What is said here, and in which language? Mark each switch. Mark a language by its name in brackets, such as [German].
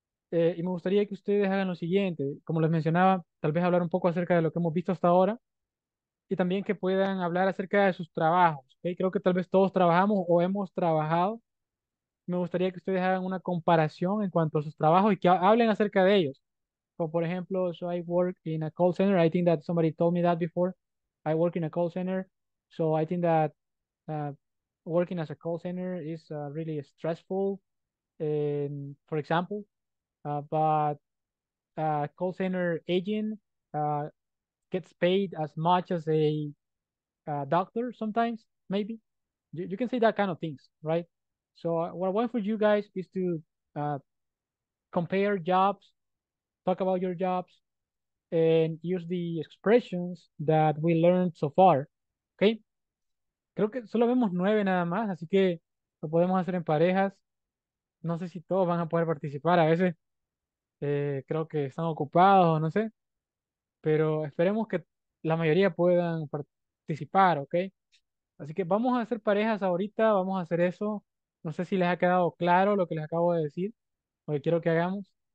[Spanish] Y me gustaría que ustedes hagan lo siguiente. Como les mencionaba, tal vez hablar un poco acerca de lo que hemos visto hasta ahora. Y también que puedan hablar acerca de sus trabajos, ¿okay? Creo que tal vez todos trabajamos o hemos trabajado. Me gustaría que ustedes hagan una comparación en cuanto a sus trabajos y que hablen acerca de ellos. Como por ejemplo, [English] so I work in a call center. I think that somebody told me that before. I work in a call center. So I think that working as a call center is really stressful. And for example, but a call center agent gets paid as much as a doctor sometimes, maybe. You can say that kind of things, right? So what I want for you guys is to compare jobs, talk about your jobs, and use the expressions that we learned so far, okay? [Spanish] Creo que solo vemos 9 nada más, así que lo podemos hacer en parejas. No sé si todos van a poder participar a veces. Creo que están ocupados, no sé. Pero esperemos que la mayoría puedan participar, ¿ok? Así que vamos a hacer parejas ahorita, vamos a hacer eso. No sé si les ha quedado claro lo que les acabo de decir, lo que quiero que hagamos.